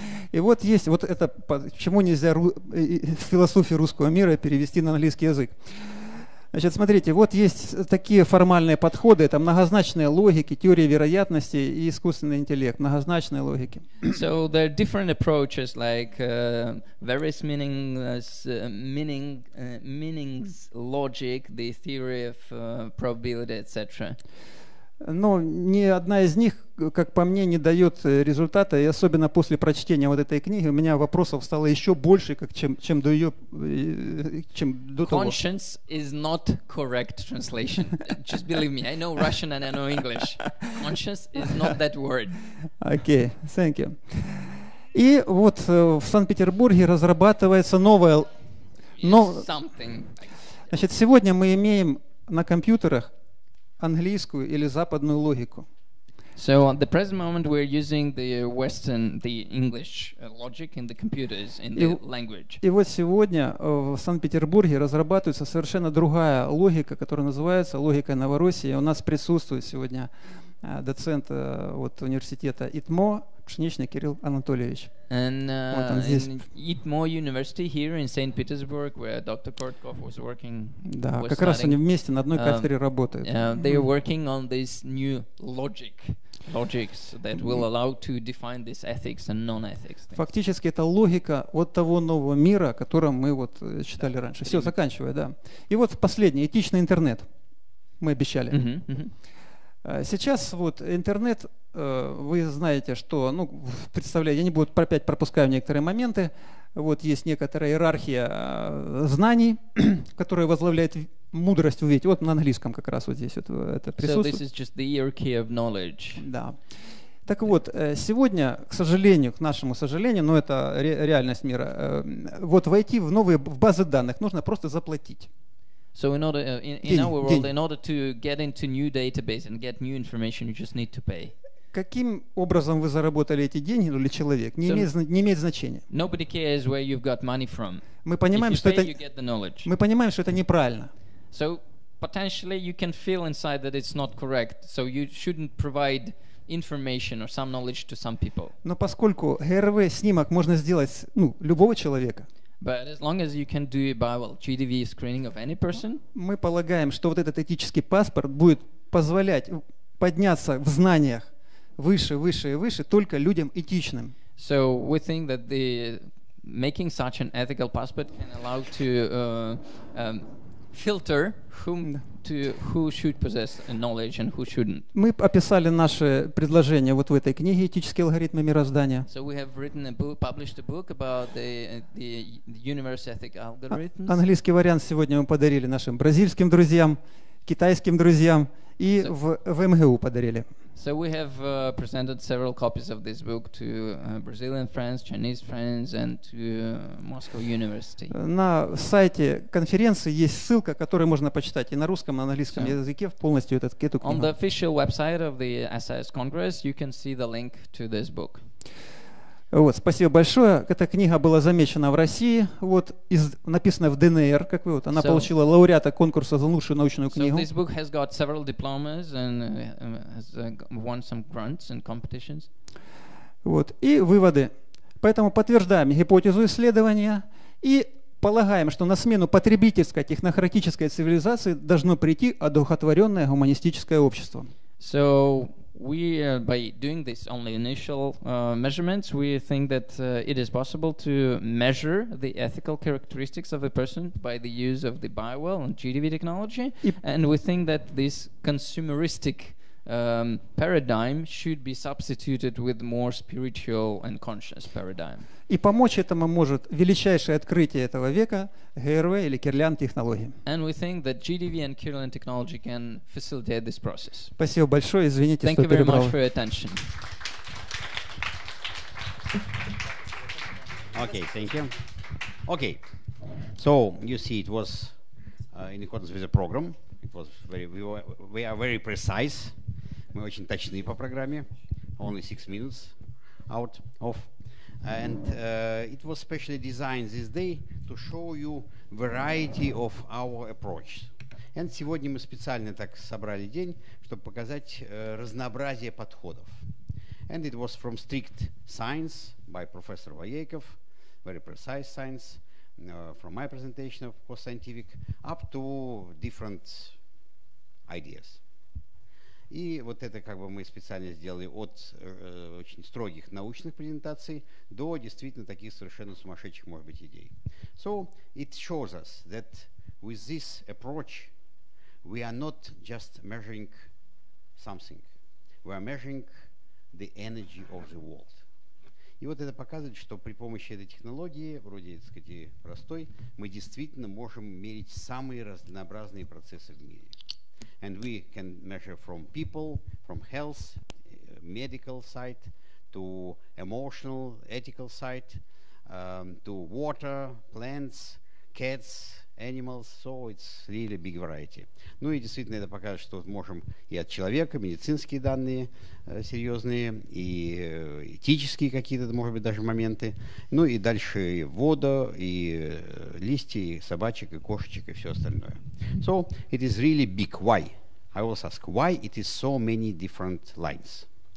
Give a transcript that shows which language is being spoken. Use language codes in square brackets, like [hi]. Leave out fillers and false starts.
[ru] И вот есть, вот это, почему нельзя философию русского мира перевести на английский язык. Значит, смотрите, вот есть такие формальные подходы, это многозначные логики, теория вероятности и искусственный интеллект, многозначные логики. [en] So there are different approaches, like various meaningless, meanings logic, the theory of probability, etc. [ru] Но ни одна из них, как по мне, не дает результата, и особенно после прочтения вот этой книги у меня вопросов стало еще больше, как чем до ее, чем до того. [en] Conscience is not correct translation. Just believe me, I know Russian and I know English. Conscience is not that word. Okay, thank you. [ru] И вот в Санкт-Петербурге разрабатывается новое, но [en] something. [ru] Значит, сегодня мы имеем на компьютерах английскую или западную логику. [en] So at the present moment we're using the Western, the English logic in the computers, in the language. [ru] И вот сегодня в Санкт-Петербурге разрабатывается совершенно другая логика, которая называется логика Новороссии. У нас присутствует сегодня доцент от университета ИТМО Пшеничный Кирилл Анатольевич. [en] And ITMO University here in St. Petersburg, where Dr. Kortkov was working. [ru] Да, [en] was [ru] как раз они вместе на одной кафедре работают. [en] They are working on this new logics that will allow to define this ethics and non-ethics. Things. [ru] Фактически это логика вот того нового мира, о котором мы вот читали раньше. Все, заканчивая, да. И вот последний, этичный интернет. Мы обещали. Mm-hmm, mm-hmm. Сейчас вот интернет, вы знаете, что, ну, представляю, я не буду опять пропускаю некоторые моменты. Вот есть некоторая иерархия знаний, которая возглавляет мудрость. Вы видите, вот на английском как раз вот здесь вот это присутствует. [en] So this is just the hierarchy of knowledge. [ru] Да. Так вот, сегодня, к сожалению, к нашему сожалению, но это реальность мира, вот войти в новые в базы данных нужно просто заплатить. [en] So in order in our world, in order to get into new database and get new information, you just need to pay. [ru] Каким образом вы заработали эти деньги, или человек? Не, so имеет, не имеет значения. [en] Nobody cares where you've got money from. [ru] Мы понимаем, [en] if you [ru] что [en] pay, [ru] это, [en] you get the knowledge. [ru] Мы понимаем, что это неправильно. [en] So potentially you can feel inside that it's not correct. So you shouldn't provide information or some knowledge to some people. [ru] Но поскольку ГРВ снимок можно сделать, ну, любого человека. [en] But as long as you can do a viable GDV screening of any person, [ru] мы полагаем, что вот этот этический паспорт будет позволять подняться в знаниях выше, выше и выше только людям этичным. [en] So we think that the making such an ethical passport can allow to filter whom to who should possess knowledge and who shouldn't. [ru] Мы описали наши предложения вот в этой книге «Этические алгоритмы мироздания». [en] So we have written a book, published a book about the universe ethic algorithms. [ru] Английский вариант сегодня мы подарили нашим бразильским друзьям, китайским друзьям и в МГУ подарили. [en] So we have presented several copies of this book to Brazilian friends, Chinese friends, and to Moscow University. [ru] На сайте конференции есть ссылка, которую можно почитать и на русском, и на английском языке в полностью эту книгу. [en] On the official website of the SIS Congress, you can see the link to this book. [ru] Вот, спасибо большое. Эта книга была замечена в России, вот, написана в ДНР, как вы вот, она получила лауреата конкурса за лучшую научную книгу. [en] So this book has got several diplomas and has won some grants and competitions. [ru] Вот, и выводы. Поэтому подтверждаем гипотезу исследования и полагаем, что на смену потребительской технократической цивилизации должно прийти одухотворенное гуманистическое общество. [en] So we by doing this only initial measurements, we think that it is possible to measure the ethical characteristics of a person by the use of the BioWell and GDV technology, and we think that this consumeristic paradigm should be substituted with more spiritual and conscious paradigm. [ru] И помочь этому может величайшее открытие этого века ГРВ или Кирлян технологии. [en] And we think that GDV and Kirlian technology can facilitate this process. [ru] Спасибо большое, извините, что перебрал. [en] Thank you very much for your attention. Okay, thank you. Okay, so you see, it was in accordance with the program. It was very, we are very precise. [ru] Мы очень точны по программе. [en] Only 6 minutes out of. And it was specially designed this day to show you variety of our approach. [ru] And сегодня мы специально так собрали день, чтобы показать разнообразие подходов. [en] And it was from strict science by Professor Vayekov, very precise science, from my presentation of course scientific, up to different ideas. [ru] И вот это как бы мы специально сделали от очень строгих научных презентаций до действительно таких совершенно сумасшедших, может быть, идей. [en] So it shows us that with this approach we are not just measuring something. We are measuring the energy of the world. [ru] И вот это показывает, что при помощи этой технологии, вроде, так сказать, простой, мы действительно можем мерить самые разнообразные процессы в мире. [en] And we can measure from people, from health, medical side, to emotional, ethical side, to water, plants, cats, animals. So it's really big variety. [ru] Ну и действительно это показывает, что можем и от человека медицинские данные серьезные, и этические какие-то, может быть, даже моменты. Ну и дальше и вода, и листья, и собачек, и кошечек, и все остальное. [en] So it is really big. Why? I always ask, why it is so many different lines?